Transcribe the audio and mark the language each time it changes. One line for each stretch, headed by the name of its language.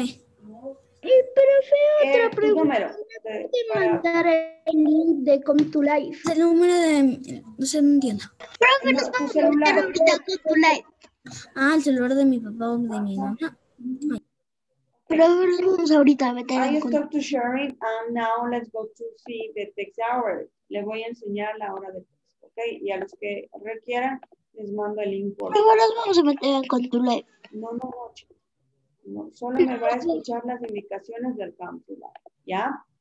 Spanish: Y profe, otra pregunta. ¿Puedes mandar el link de Come to Life? El número de... No sé, no entiendo. Profe, nos vamos a mandar ahorita Come to Life. Ah, el celular de mi papá o de mi mamá. Profe, nos vamos ahorita a meter en contacto.
English: I stopped to sharing and now let's go to see the text hour.
Spanish: Le voy a enseñar la hora de texto, ¿ok? Y a los que requieran, les mando el link. Profe, nos vamos a meter en Come to Life. No. No, solo me va a escuchar las indicaciones del Come to Life, ¿ya?